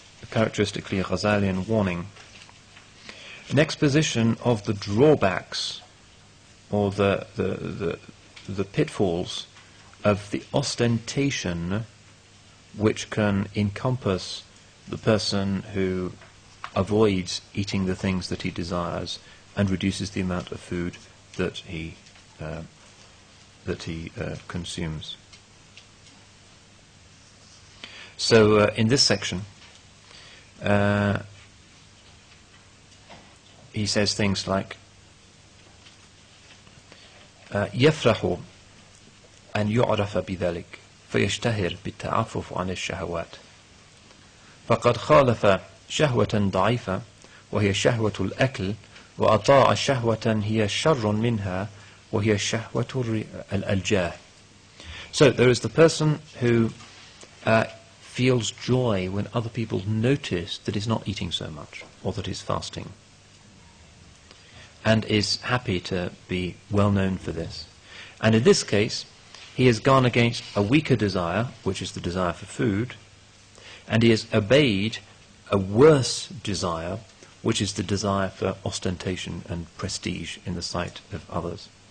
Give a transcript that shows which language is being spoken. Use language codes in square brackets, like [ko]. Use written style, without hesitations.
[en] Characteristically, a Ghazalian warning. An exposition of the drawbacks, or the pitfalls of the ostentation which can encompass the person who avoids eating the things that he desires and reduces the amount of food that he consumes. So in this section, he says things like [ar] يَفْرَحُ أَنْ يُعْرَفَ بِذَلِكَ فَيَشْتَهِرْ بِالتَّعَفُفُ عَنِ الشَّهَوَاتِ فَقَدْ خَالَفَ شَهْوَةً ضَعِيفًا وَهِيَ شَهْوَةُ الْأَكْلِ وَأَطَاعَ شَهْوَةً هِيَ شَرٌّ مِنْهَا وَهِيَ شَهْوَةُ الْأَلْجَاهِ. [en] So there is the person who feels joy when other people notice that he's not eating so much, or that he's fasting, and is happy to be well known for this. And in this case, he has gone against a weaker desire, which is the desire for food, and he has obeyed a worse desire, which is the desire for ostentation and prestige in the sight of others.